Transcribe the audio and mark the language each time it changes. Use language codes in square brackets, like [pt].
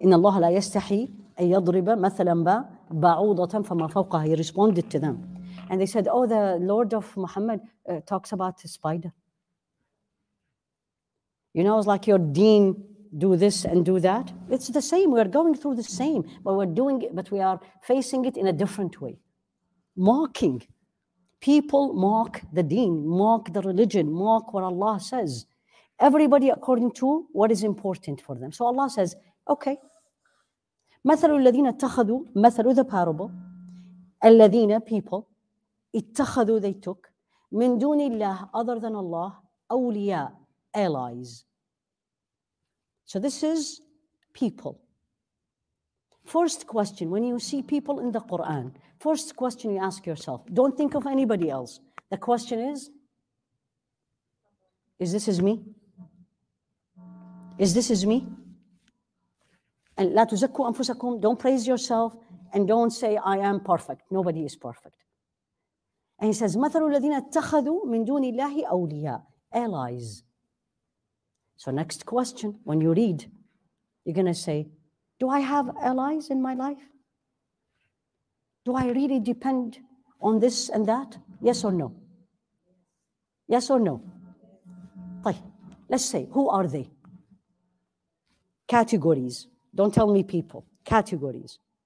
[ar] إِنَّ اللَّهَ لَا يَسْتَحِي أَن يَضْرِبَ مَثَلًا بَعُوضَةً فَمَا فَوْقَهَا [en] He responded to them. And they said, oh, the Lord of Muhammad talks about a spider. You know, it's like your deen do this and do that. It's the same. We are going through the same, but we're doing it, but we are facing it in a different way. Mocking. People mock the deen, mock the religion, mock what Allah says. Everybody according to what is important for them. So Allah says, okay. [ar] مَثَلُ الَّذِينَ اتَّخَذُوا مَثَلُ [en] the parable. الَّذِينَ people. اتَّخَذُوا they took. [ar] مِن دُونِ اللَّهِ [en] other than Allah. أَوْلِيَا allies. So this is people. First question, when you see people in the Quran, first question you ask yourself, don't think of anybody else. The question is this me? Is this is me? And [ar] لا تزكوا أنفسكم, [en] don't praise yourself and don't say I am perfect. Nobody is perfect. And he says, [ar] مَثَلُ الَّذِينَ اتَّخَذُوا مِن دُونِ اللَّهِ أَوْلِيَاءَ [en] allies. So next question, when you read, you're going to say, do I have allies in my life? Do I really depend on this and that? Yes or no? Yes or no? Let's say, who are they? Categories. Don't tell me people. Categories.